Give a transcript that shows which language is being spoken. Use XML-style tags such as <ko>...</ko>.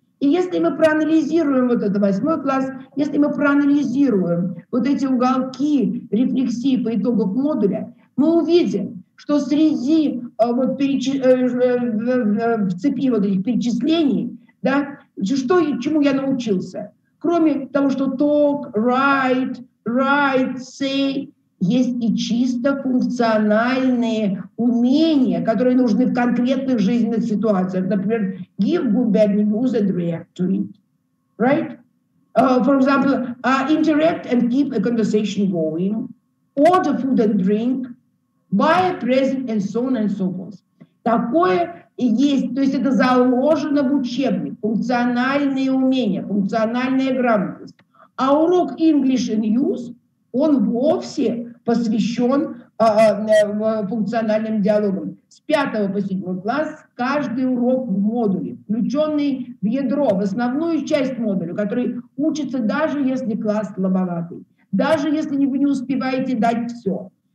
<ru>И если мы проанализируем вот этот восьмой класс, если мы проанализируем вот эти уголки рефлексии по итогам модуля, мы увидим, что среди вот в цепи вот этих перечислений, да, что, чему я научился? Кроме того, что</ru> <en>talk, write, say,</en> <ru>есть и чисто функциональные умения, которые нужны в конкретных жизненных ситуациях.</ru> <en>Например, give good bad news and react to it. Right? For example, interact and keep a conversation going. Order food and drink. Buy a present and so on and so forth.</en> <ru>Такое есть, то есть это заложено в учебник, функциональные умения, функциональная грамотность. А урок English in Use, он вовсе посвящен функциональным диалогам. С 5 по 7 класс каждый урок в модуле, включенный в ядро, в основную часть модуля, который учится даже если класс слабоватый, даже если вы не успеваете дать все.</ru>